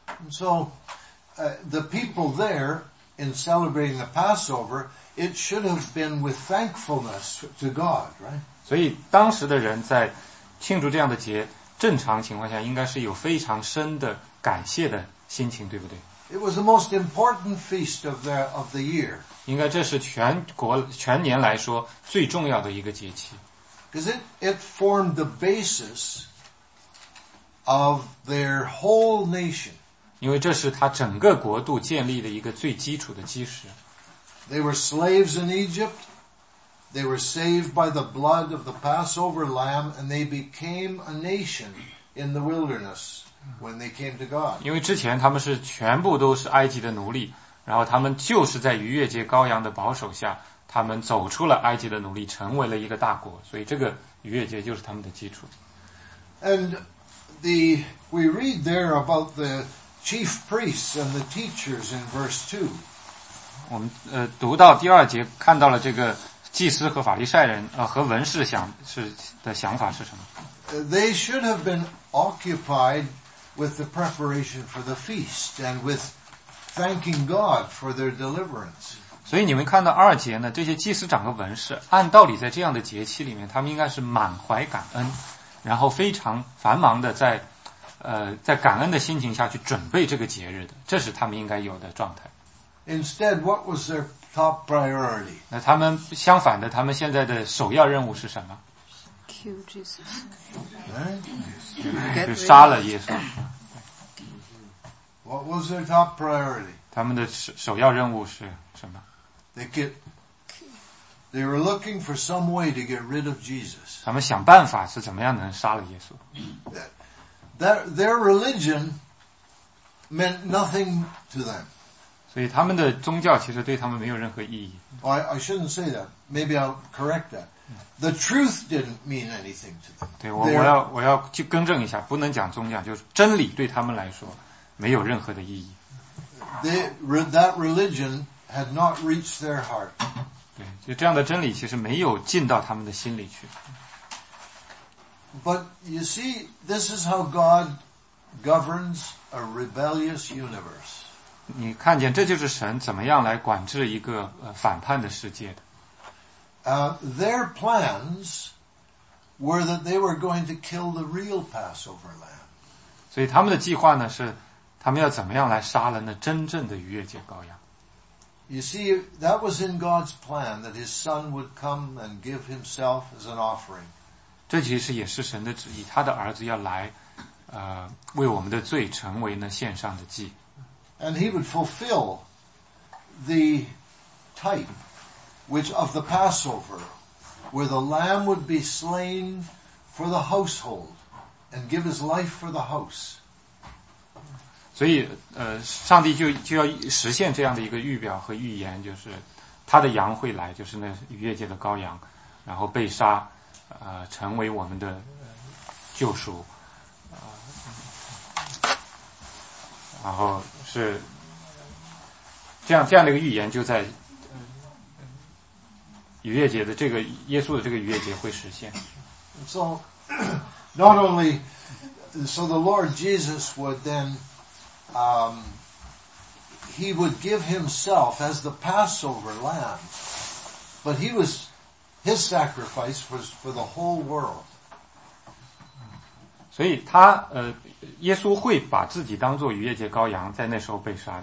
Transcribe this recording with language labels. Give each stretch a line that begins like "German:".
English: So, the people there in celebrating the Passover, it should have been with thankfulness to God, right?
Chinese: 所以当时的人在庆祝这样的节，正常情况下应该是有非常深的感谢的心情，对不对？
English: It was the most important feast of the year.
Chinese: 应该这是全年来说最重要的一个节期。
English: Because it formed the basis of their whole nation.
Chinese: 因为这是他整个国度建立的一个最基础的基石。
English: They were slaves in Egypt. They were saved by the blood of the Passover lamb, and they became a nation in the wilderness when they came to God.
Chinese: 因为之前他们是全部都是埃及的奴隶，然后他们就是在逾越节羔羊的保守下，他们走出了埃及的奴隶，成为了一个大国，所以这个逾越节就是他们的基础。
English: And we read there about the chief priests and the teachers in verse 2.
Chinese: 我们读到第二节，看到了这个祭司和法利赛人和文士想法是什么？
English: They should have been occupied with the preparation for the feast and with thanking God for their deliverance.
Chinese: 所以你们看到二节呢，这些祭司长和文士按道理在这样的节期里面，他们应该是满怀感恩，然后非常繁忙的在感恩的心情下去准备这个节日的，这是他们应该有的状态。
English: Instead, what was their top priority?
Chinese: 那他们相反的，他们现在的首要任务是什么？
English: Kill Jesus.
Chinese: 就杀了耶稣。
English: What was their top priority?
Chinese: 他们的首要任务是什么？
English: They were looking for some way to get rid of Jesus.
Chinese: 他们想办法是怎么样能杀了耶稣。
English: Their religion meant nothing to them.
Chinese: 所以他们的宗教其实对他们没有任何意义。
English: I shouldn't say that. Maybe I'll correct that. The truth didn't mean anything to them.
Chinese: 对，我要去更正一下，不能讲宗教，就是真理对他们来说没有任何的意义。
English: That religion. Had not reached their heart.
Chinese: 对，就这样的真理其实没有进到他们的心里去。
English: But you see, this is how God governs a rebellious universe.
Chinese: 你看见这就是神怎么样来管制一个反叛的世界的。
English: Their plans were that they were going to kill the real Passover lamb.
Chinese: 所以他们的计划呢是，他们要怎么样来杀了那真正的逾越节羔羊。
English: You see, that was in God's plan that His Son would come and give Himself as an offering.
Chinese: 这其实也是神的旨意，他的儿子要来，为我们的罪成为那献上的祭。
English: And He would fulfill the type which of the Passover, where the lamb would be slain for the household and give His life for the house.
Chinese: 所以上帝就要实现这样的一个预表和预言，就是他的羊会来，就是那逾越节的羔羊，然后被杀成为我们的救赎，然后是这样的一个预言，就在逾越节的这个耶稣的这个逾越节会实现。
English: So not only so the Lord Jesus would thenHe would give himself as the Passover lamb, but his sacrifice was for the whole world.
Chinese: 所以他耶稣会把自己当做逾越节羔羊，在那时候被杀。